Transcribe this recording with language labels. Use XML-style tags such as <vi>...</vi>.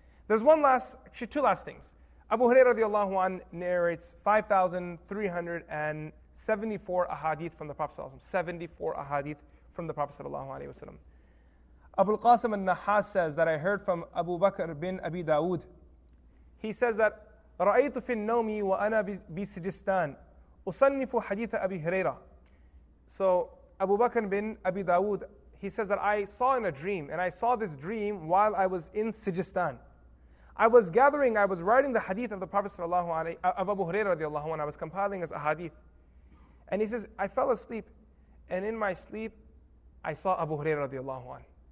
<en>There's two last things. Abu Hurairah radiallahu anhu narrates 5,374 ahadith from the Prophet sallallahu alaihi wasallam. 74 ahadith from the Prophet sallallahu alaihi wasallam. Abu al-Qasim al-Nahas says that I heard from Abu Bakr bin Abi Dawood. He says that</en> <ar>رأيت في النوم وأنا بسجستان أصنف حديث أبي هريرة.</ar> <en>So Abu Bakr bin Abi Dawood, he says that I saw in a dream, and I saw this dream while I was in Sijistan. I was writing the hadith of the Prophet sallallahu alaihi of Abu Hurairah radiallahu anhu, and I was compiling his ahadith. And he says, I fell asleep, and in my sleep I saw Abu Hurairah radiallahu anhu.</en>